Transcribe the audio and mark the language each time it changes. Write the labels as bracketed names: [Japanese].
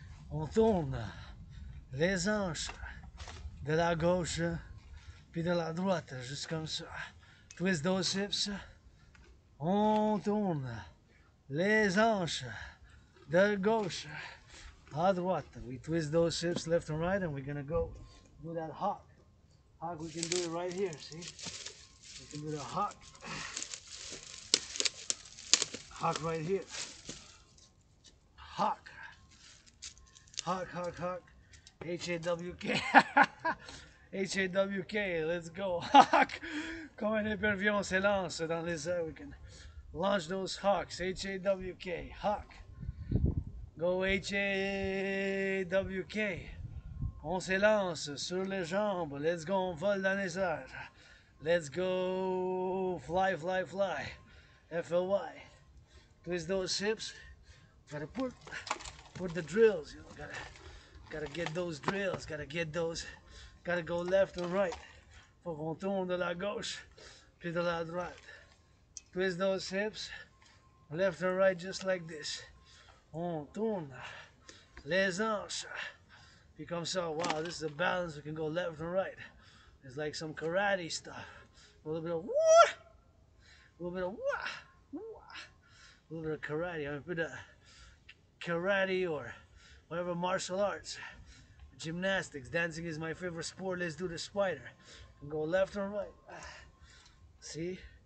[French] On tourne les hanches de la gauche puis de la droite, juste comme ça. [English] Twist those hips. [French] On tourne les hanches de gauche à droite. [English] We twist those hips left and right and we're gonna go do that hock. Hock, we can do it right here, see? We can do the hock. Hock right here. Hock. Hawk, hawk, hawk, H-A-W-K, H-A-W-K, let's go, hawk, [French] comme un épervier, on s'élance dans les airs, [English] we can launch those hawks, H-A-W-K, hawk, go H-A-W-K, [French] on s'élance sur les jambes, [English] let's go, [French] on vole dans les airs, [English] let's go, fly, fly, fly, F-L-Y, twist those hips, gotta put the drills, you know, gotta get those drills, gotta go left and right. [French] Faut qu'on tourne de la gauche, puis de la droite. [English] Twist those hips, left and right just like this. [French] On tourne les hanches, puis comme ça, [English] wow, this is a balance, we can go left and right. It's like some karate stuff. A little bit of wah, a little bit of wah, wah, a little bit of karate, I'm gonna put a karate or whatever martial arts, gymnastics, dancing is my favorite sport. Let's do the spider. And go left or right. See?